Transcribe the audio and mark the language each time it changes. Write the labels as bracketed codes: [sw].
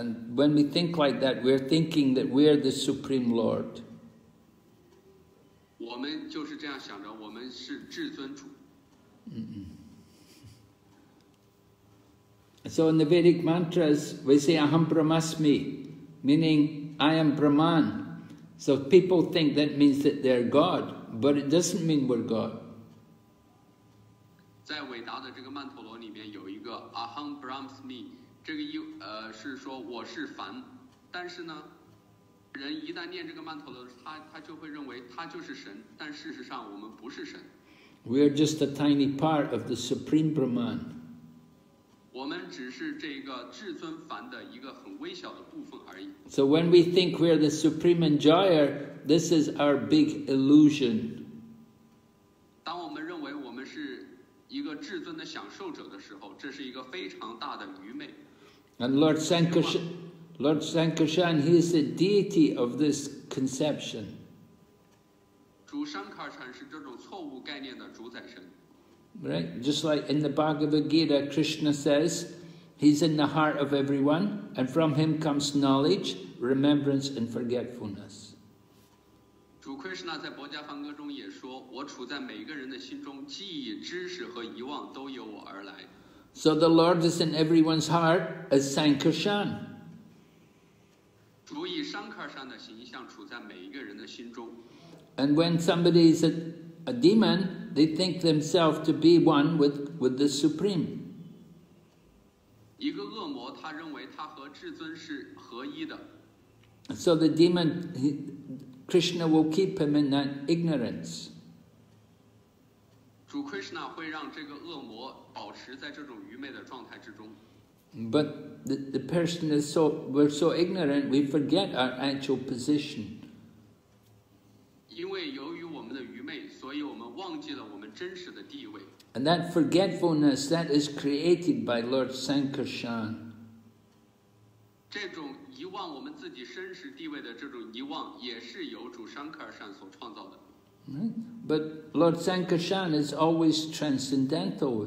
[en] And when we think like that, we're thinking that we're the Supreme Lord. [zh] 我们就是这样想着，我们是至尊主。 [en] So in the Vedic mantras, we say Aham Brahmasmi, meaning I am Brahman. So people think that means that they're God, but it doesn't mean we're God. [zh] 在伟达的这个曼陀罗里面有一个 Aham Brahmasmi, 这个是说我是凡，但是呢，人一旦念这个曼陀罗，他就会认为他就是神，但事实上我们不是神。 [en] We are just a tiny part of the Supreme Brahman. [zh] 我们只是这个至尊凡的一个很微小的部分而已。 [en] So when we think we are the supreme enjoyer, this is our big illusion. [zh] 当我们认为我们是一个至尊的享受者的时候，这是一个非常大的愚昧。 [en] And Lord Sankarshan, he is the deity of this conception. [zh] 主 Sankarshan 是这种错误概念的主宰神。 [en] Right, just like in the Bhagavad Gita, Krishna says, he's in the heart of everyone, and from him comes knowledge, remembrance, and forgetfulness. [zh] 主 Krishna 在博迦梵歌中也说，我处在每个人的心中，记忆、知识和遗忘都由我而来。 [en] So the Lord is in everyone's heart as Sankarshan. [zh] 主以 Sankarshan 的形象处在每一个人的心中。 [en] And when somebody is a demon, they think themselves to be one with the Supreme. [zh] 一个恶魔，他认为他和至尊是合一的。 [en] So the demon, Krishna will keep him in that ignorance. [zh] 主 Krishna 会让这个恶魔保持在这种愚昧的状态之中。 [en] But the person is so, we're so ignorant, we forget our actual position. [zh] 因为由于我们的愚昧，所以我们忘记了我们真实的地位。 [en] And that forgetfulness that is created by Lord Sankarshan. [zh] 这种遗忘我们自己真实地位的这种遗忘，也是由主 Sankarshan 所创造的。 [en] But Lord Sankarshan is always transcendental.